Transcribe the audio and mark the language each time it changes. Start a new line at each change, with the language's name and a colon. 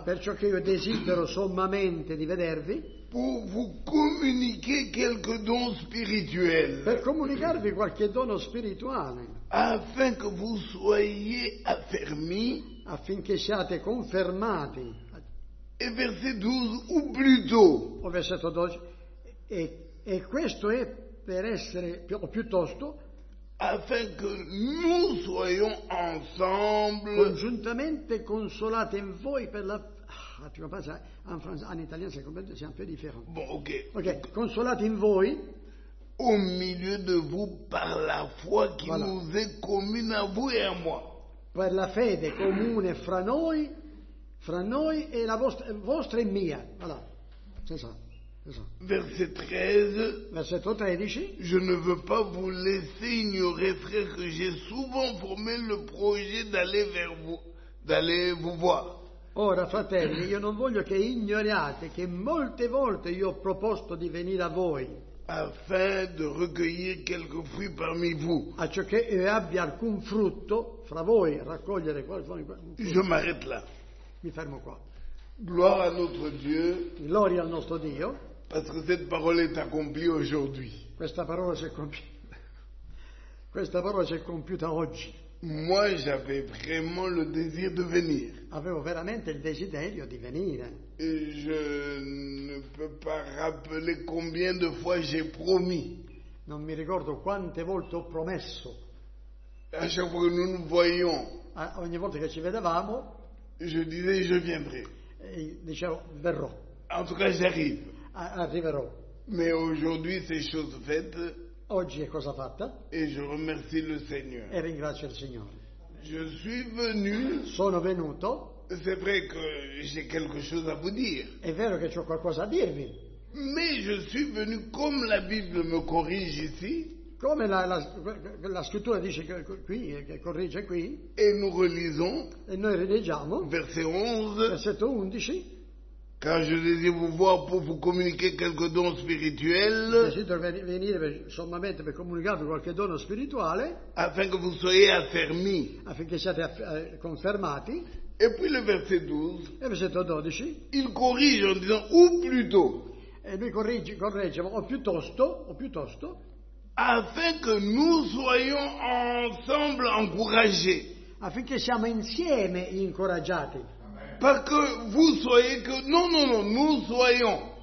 Italian: Perciò che io desidero sommamente di vedervi.
French: Pour vous communiquer quelque don spirituel.
Italian: Per comunicarvi qualche dono spirituale.
French: Afin que vous soyez affermis.
Italian: Affinché siate confermati.
French: Et verset 12, ou plutôt.
Italian: O versetto 12. E questo è per essere piuttosto
French: afin que nous soyons ensemble
Italian: congiuntamente consolati in voi per la
French: en italien c'est complètement un peu différent. Bon,
Italian: OK. Consolati in voi
French: au milieu de vous par la foi qui voilà. Nous est commune à vous et à moi.
Italian: Per la fede comune fra noi e la vostra e mia.
French: Voilà. C'est ça. Verset 13. Je ne veux pas vous laisser ignorer, frère, que j'ai souvent formé le projet d'aller vers vous, d'aller vous voir.
Italian: Ora, fratelli, io non voglio che ignoriate che molte volte io ho proposto di venire a voi.
French: Afin de recueillir quelques fruits parmi vous.
Italian: A ciò che io abbia alcun frutto fra voi, raccogliere qualcosa.
French: Je m'arrête là.
Italian: Mi fermo qua.
French: Gloire à notre Dieu.
Italian: Gloria al nostro Dio.
French: Parce que cette parole est accomplie aujourd'hui.
Italian: Questa parola si è compiuta oggi.
French: Moi, j'avais vraiment le désir de venir.
Italian: Avevo veramente il desiderio di venire.
French: Et je ne peux pas rappeler combien de fois j'ai promis.
Italian: Non mi ricordo quante volte ho promesso.
French: À chaque fois que nous nous voyions.
Italian: Ogni volta che ci vedevamo.
French: Je disais je viendrai.
Italian: Et dicevo verrò.
French: En tout cas, j'arrive.
Italian: Arriverò.
French: Mais aujourd'hui c'est chose faite.
Italian: Oggi è cosa fatta.
French: Et je remercie le Seigneur.
Italian: E ringrazio il Signore.
French: Je suis venu.
Italian: Sono venuto.
French: C'est vrai que j'ai quelque chose à vous dire.
Italian: È vero che c'ho qualcosa a dirvi.
French: Mais je suis venu comme la Bible me corrige ici.
Italian: Come la scrittura dice qui, che corrige qui.
French: Et nous relisons.
Italian: E noi rileggiamo.
French: Verset 11.
Italian: Versetto 11.
French: Car je désire vous voir pour vous communiquer quelques dons spirituels.
Italian: Desidero venire sommamente per comunicarvi qualche dono spirituale.
French: Afin que vous soyez affermis.
Italian: Affinché siate confermati.
French: Et puis le verset 12.
Italian: E versetto 12.
French: Il corrige en disant ou plutôt.
Italian: E lui corregge o piuttosto.
French: Afin que nous soyons ensemble encouragés.
Italian: Affinché siamo insieme incoraggiati.
French: Parce que vous soyez que non, nous soyons.